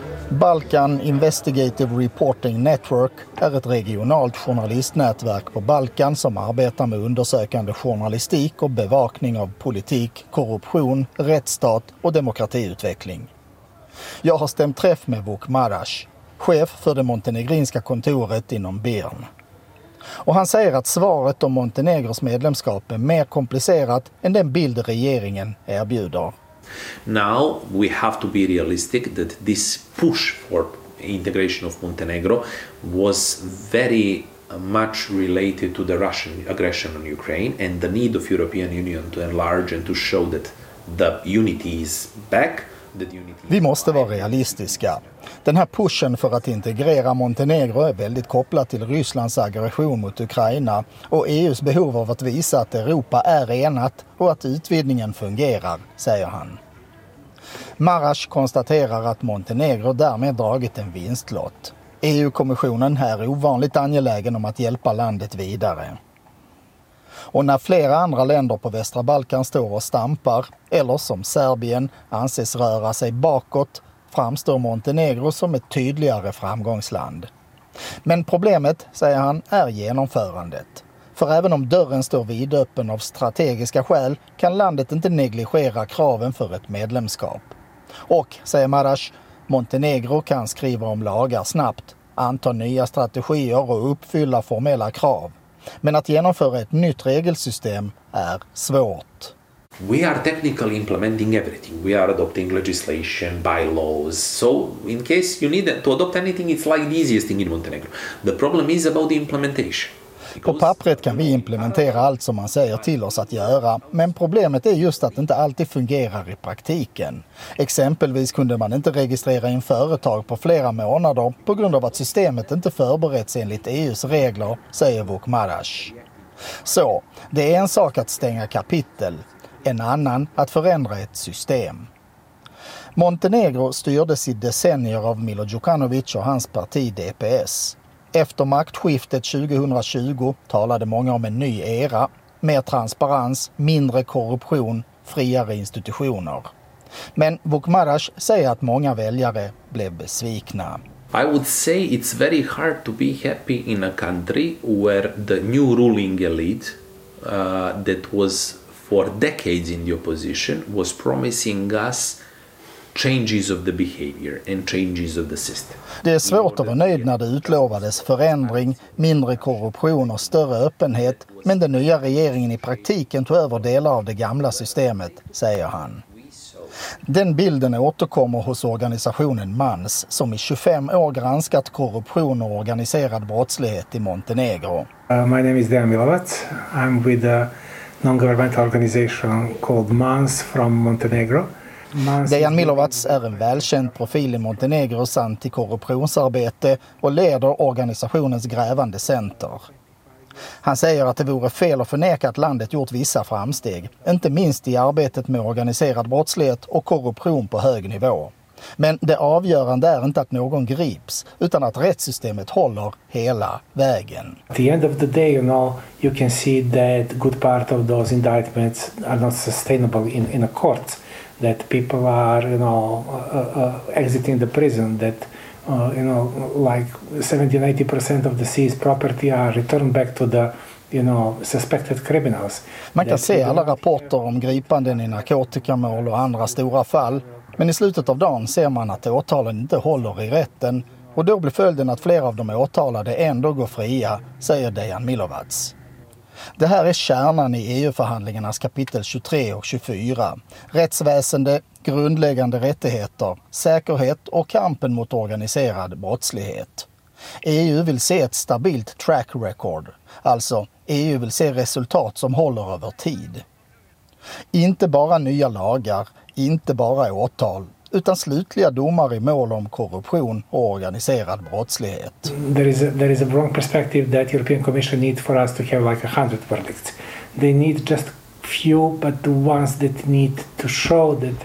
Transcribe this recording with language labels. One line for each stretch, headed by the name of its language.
Swedish: Balkan Investigative Reporting Network är ett regionalt journalistnätverk på Balkan som arbetar med undersökande journalistik och bevakning av politik, korruption, rättsstat och demokratiutveckling. Jag har stämt träff med Vuk Maraš, chef för det montenegrinska kontoret inom BIRN. Och han säger att svaret om Montenegros medlemskap är mer komplicerat än den bild regeringen erbjuder.
English: Now we have to be realistic that this push for integration of Montenegro was very much related to the Russian aggression on Ukraine and the need of European Union to enlarge and to show that the unity is back.
Swedish: Vi måste vara realistiska. Den här pushen för att integrera Montenegro är väldigt kopplad till Rysslands aggression mot Ukraina och EUs behov av att visa att Europa är enat och att utvidgningen fungerar, säger han. Maraš konstaterar att Montenegro därmed dragit en vinstlott. EU-kommissionen är ovanligt angelägen om att hjälpa landet vidare. Och när flera andra länder på västra Balkan står och stampar, eller som Serbien, anses röra sig bakåt, framstår Montenegro som ett tydligare framgångsland. Men problemet, säger han, är genomförandet. För även om dörren står vidöppen av strategiska skäl kan landet inte negligera kraven för ett medlemskap. Och, säger Maraš, Montenegro kan skriva om lagar snabbt, anta nya strategier och uppfylla formella krav. Men att genomföra ett nytt regelsystem är svårt.
English: We are technically implementing everything. We are adopting legislation, bylaws. So in case you need to adopt anything, it's like the easiest thing in Montenegro. The problem is about the implementation.
Swedish: På pappret kan vi implementera allt som man säger till oss att göra, men problemet är just att det inte alltid fungerar i praktiken. Exempelvis kunde man inte registrera in företag på flera månader på grund av att systemet inte förberetts enligt EUs regler, säger Vuk Maraš. Så, det är en sak att stänga kapitel, en annan att förändra ett system. Montenegro styrdes i decennier av Milo Djukanovic och hans parti DPS. Efter maktskiftet 2020 talade många om en ny era, mer transparens, mindre korruption, friare institutioner. Men Vuk Maraš säger att många väljare blev besvikna.
English: I would say it's very hard to be happy in a country where the new ruling elite that was for decades in the opposition was promising us changes of the behavior and changes of the system.
Swedish: Det är svårt att vara nöjd när det utlovades förändring, mindre korruption och större öppenhet, men den nya regeringen i praktiken tog över delar av det gamla systemet, säger han. Den bilden återkommer hos organisationen MANS, som i 25 år granskat korruption och organiserad brottslighet i Montenegro.
English: My name is Dejan Milovac. I'm with a non-governmental organization called MANS from Montenegro.
Swedish: Dejan Milovac är en välkänd profil i Montenegros antikorruptionsarbete och leder organisationens grävande center. Han säger att det vore fel att förneka att landet gjort vissa framsteg, inte minst i arbetet med organiserad brottslighet och korruption på hög nivå. Men det avgörande är inte att någon grips, utan att rättssystemet håller hela vägen.
English: At the end of the day, you know, you can see that good part of those indictments are not sustainable in a court. That people are, you know, exiting the prison. That, you know, like 70-80% of the seized property are returned back to the, you know, suspected criminals.
Swedish: Man kan se alla rapporter om gripanden i narkotikamål och andra stora fall. Men i slutet av dagen ser man att åtalen inte håller i rätten, och då blir följden att flera av de åtalade ändå går fria, säger Dejan Milovac. Det här är kärnan i EU-förhandlingarnas kapitel 23 och 24. Rättsväsende, grundläggande rättigheter, säkerhet och kampen mot organiserad brottslighet. EU vill se ett stabilt track record, alltså EU vill se resultat som håller över tid. Inte bara nya lagar, inte bara åtal, utan slutliga domar i mål om korruption och organiserad brottslighet.
English: There is a wrong perspective that European Commission need for us to have like 100 verdicts. They need just few, but the ones that need to show that